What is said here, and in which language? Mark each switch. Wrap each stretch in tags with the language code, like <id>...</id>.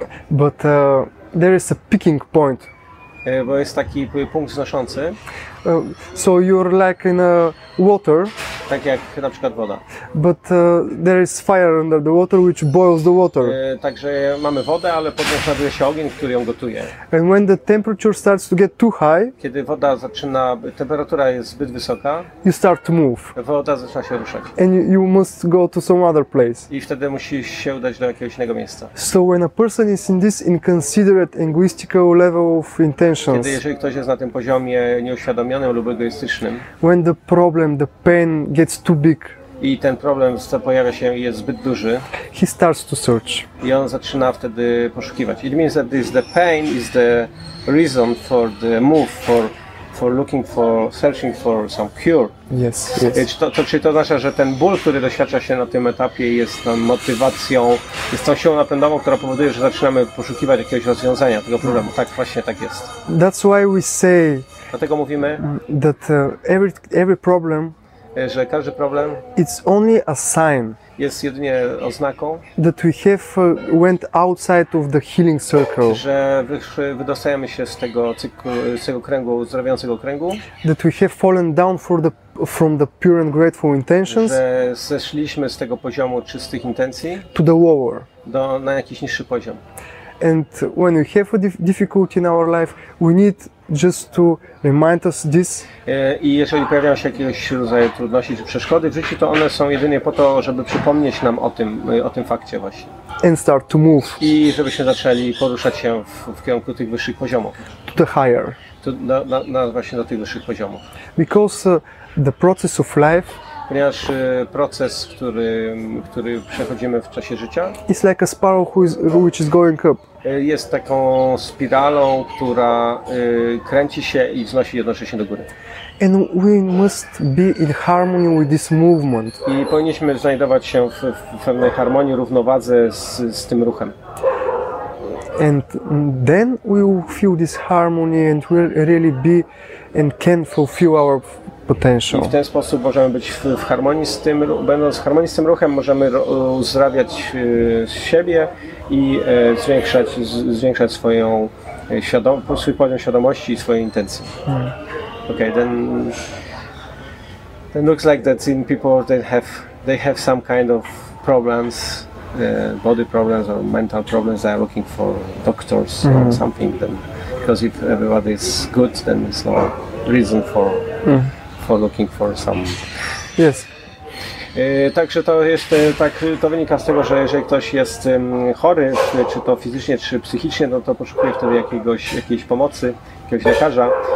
<en>But there is a peaking point.</en> <pl>Bo jest taki punkt znoszący.</pl> <en>So you're like in a water.</en> <pl>Tak jak na przykład woda.</pl> <en>But there is fire under the water which boils the water.</en> <pl>Także mamy wodę, ale pod nią znajduje się ogień, który ją gotuje.</pl> <en>And when the temperature starts to get too high.</en> <pl>Kiedy woda zaczyna, temperatura jest zbyt wysoka.</pl> <en>You start to move.</en> <pl>Woda zaczyna się ruszać.</pl> <en>And you must go to some other place.</en> <pl>I wtedy musisz się udać do jakiegoś innego miejsca.</pl> <en>So when a person is in this inconsiderate linguistical level of intentions.</en> <pl>Kiedy jeżeli ktoś jest na tym poziomie nieuświadomionym lub egoistycznym.</pl> <en>When the problem, the pain gets too big.</en> <pl>I ten problem, co pojawia się, jest zbyt duży.</pl> <en>He starts to search.</en> <pl>I on zaczyna wtedy poszukiwać.</pl> <en>It means that this, the pain is the reason for the move, for looking for, searching for some cure. Yes, yes.</en> <pl>Czyli to oznacza, że ten ból, który doświadcza się na tym etapie, jest tą motywacją, jest tą siłą napędową, która powoduje, że zaczynamy poszukiwać jakiegoś rozwiązania tego problemu. Tak, właśnie tak jest.</pl> <en>That's why we say,</en> <pl>dlatego mówimy,</pl> <en>that every problem,</en> <pl>że każdy problem,</pl> <en>it's only a sign,</en> <pl>jest jedynie oznaką,</pl> <en>that we have went outside of the healing circle,</en> <pl>że wydostajemy się z tego cyklu, z tego kręgu, uzdrawiającego kręgu,</pl> <en>that we have fallen down from the pure and grateful intentions,</en> <pl>że zeszliśmy z tego poziomu czystych intencji,</pl> <en>to the lower,</en> <pl>na jakiś niższy poziom.</pl> <en>And when we have a difficulty in our life, we need just to remind us this.</en> <pl>I jeżeli pojawiają się jakiegoś rodzaju trudności czy przeszkody w życiu, to one są jedynie po to, żeby przypomnieć nam o tym fakcie właśnie.</pl> <en>And start to move.</en> <pl>I żebyśmy zaczęli poruszać się w kierunku tych wyższych poziomów.</pl> <en>To the higher.</en> <pl>Właśnie do tych wyższych poziomów.</pl> <en>Because the process of life.</en> <pl>Ponieważ proces, który przechodzimy w czasie życia,</pl> <en>it's like a spiral which is going up.</en> <pl>Jest taką spiralą, która kręci się i wznosi jednocześnie do góry.</pl> <en>And we must be in harmony with this movement.</en> <pl>I powinniśmy znajdować się w pewnej harmonii, równowadze z tym ruchem.</pl> <en>And then we will feel this harmony and we'll really be and can fulfill our potential.</en> <pl>I w ten sposób możemy być w harmonii z tym, będąc w harmonii z tym ruchem, możemy uzdrawiać siebie i zwiększać swoją swój poziom świadomości i swoje intencje. Hmm.</pl> <en>Okay, then looks like that in people they have some kind of problems. Body problems or mental problems, they are looking for doctors or something. Then, because if everybody is good, then there's no reason for looking for some. Yes.</en> <pl>Także to jest tak, to wynika z tego, że jeżeli ktoś jest chory, czy to fizycznie, czy psychicznie, no to poszukuje wtedy jakiejś pomocy, jakiegoś lekarza.</pl>